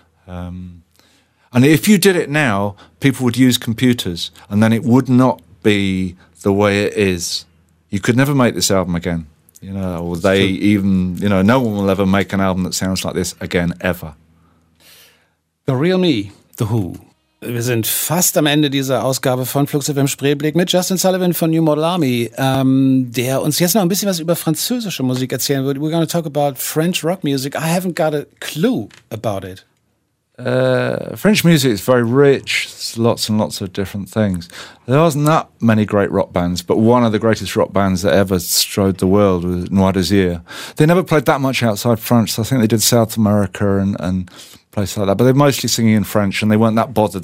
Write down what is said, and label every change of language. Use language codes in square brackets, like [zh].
[en] And if you did it now, people would use computers, and then it would not be the way it is. You could never make this album again, you know, or they even, you know, no one will ever make an album that sounds like this again, ever. The Real Me, The Who. [de] Wir sind fast am Ende dieser Ausgabe von Flux FM Spreeblick mit Justin Sullivan von New Model Army, der uns jetzt noch ein bisschen was über französische Musik erzählen wird. [en] We're going to talk about French rock music. I haven't got a clue about it. French music is very rich. It's lots and lots of different things. There aren't that many great rock bands, but one of the greatest rock bands that ever strode the world was Noir Désir. They never played that much outside France. I think they did South America and places like that, but they're mostly singing in French, and they weren't that bothered.